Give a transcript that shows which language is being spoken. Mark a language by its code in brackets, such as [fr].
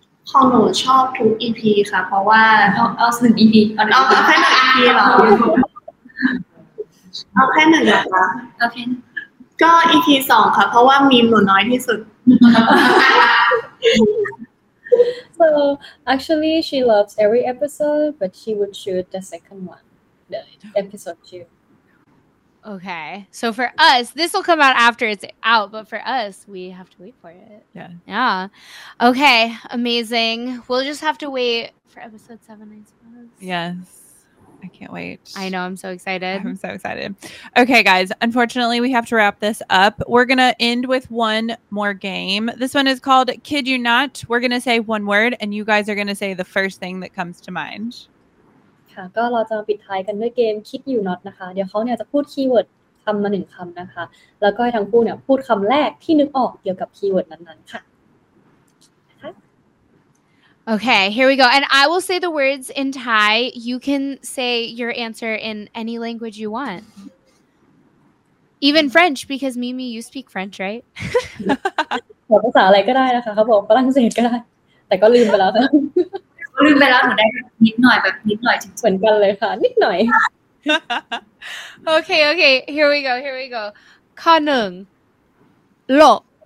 [th] ของหนูชอบทุก EP ค่ะเพราะว่าเอาสนิท EP เอาแค่หนึ่ง EP หรอเอาแค่หนึ่งหรอคะ [en] โอเค [th] ก็ EP 2ค่ะเพราะว่ามีหนูน้อยที่สุด [en] So actually she loves every episode but she would shoot the second one the episode 2 Okay so for us this will come out after it's out but for us we have to wait for it yeah okay amazing we'll just have to wait for episode 7 I suppose yes I can't wait I know I'm so excited okay guys unfortunately we have to wrap this up we're gonna end with one more game this one is called kid you not we're gonna say one word and you guys are gonna say the first thing that comes to mind [th] ค่ะก็เราจะปิดท้ายกันด้วยเกมคิดอยู่น็อตนะคะเดี๋ยวเขาเนี่ยจะพูดคีย์เวิร์ดคำมาหนึ่งคำนะคะแล้วก็ให้ทั้งคู่เนี่ยพูดคำแรกที่นึกออกเกี่ยวกับคีย์เวิร์ดนั้นๆค่ะนะคะ [en] Okay here we go and I will say the words in Thai you can say your answer in any language you want even French because Mimi you speak French right [th] ภาษาอะไรก็ได้นะคะเขาบอกฝรั่งเศสก็ได้แต่ก็ลืมไปแล้ว ลืมไปแล้วหนูได้นิดหน่อยแบบนิดหน่อย เหมือนกันเลยค่ะนิดหน่อย [en] okay here we go [th] ข้อหนึ่งโลก